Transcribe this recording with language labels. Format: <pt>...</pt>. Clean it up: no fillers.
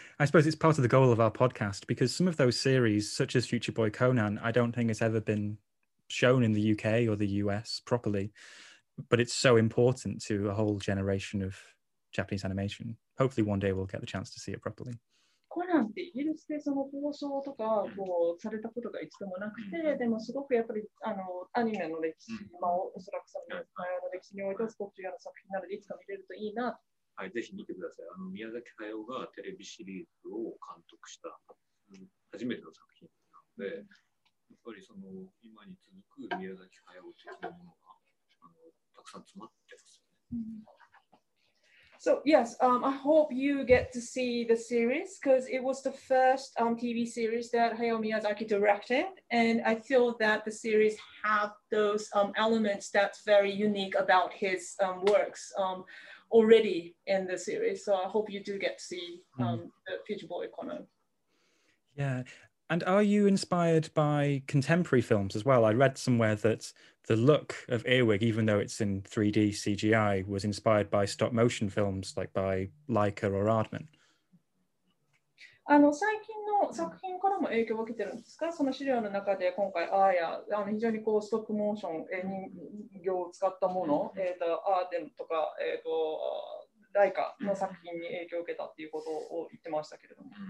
<en>I suppose it's part of the goal of our podcast because some of those series, such as Future Boy Conan, I don't think has ever been shown in the UK or the US properly, but it's so important to a whole generation of Japanese animation. Hopefully one day we'll get the chance to see it properly.</en> <ja>Conan ってイギリスでその放送とかこうされたことが一度もなくて、でもすごくやっぱりあのアニメの歴史、まあおそらくその歴史においてはすごく重要な作品なのでいつか見れるといいな。はい、ぜひ見てください。あの宮崎駿がテレビシリーズを監督した初めての作品なので、やっぱりその今に続く宮崎駿的なものがあのたくさん詰まってますよね。</ja> <en>So yes, I hope you get to see the series because it was the first TV series that Hayao Miyazaki directed, and I feel that the series have those elements that's very unique about his works already in the series. So I hope you do get to see the Future Boy Conan. Yeah, and are you inspired by contemporary films as well? I read somewhere that the look of Earwig, even though it's in 3D CGI, was inspired by stop motion films like by Leica or Aardman.</en> <ja>あの最近の作品からも影響を受けてるんですか？その資料の中で今回アーヤ、あの非常にこうストップモーション人形を使ったもの、アーデンとかライカの作品に影響を受けたっていうことを言ってましたけれども。</ja>